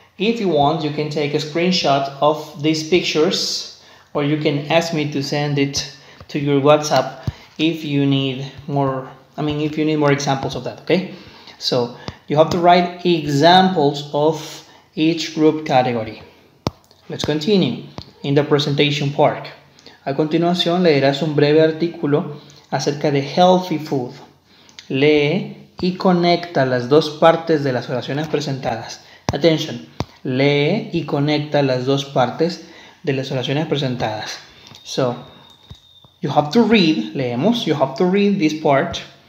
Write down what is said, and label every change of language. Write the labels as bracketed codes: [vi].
[en] If you want, you can take a screenshot of these pictures, or you can ask me to send it to your WhatsApp if you need more examples of that, okay? So you have to write examples of each group category. Let's continue in the presentation part. [es] A continuación leerás un breve artículo acerca de [en] healthy food. [es] Lee y conecta las dos partes de las oraciones presentadas. Attention. Lee y conecta las dos partes de las oraciones presentadas. [en] So, you have to read, leemos, you have to read this part.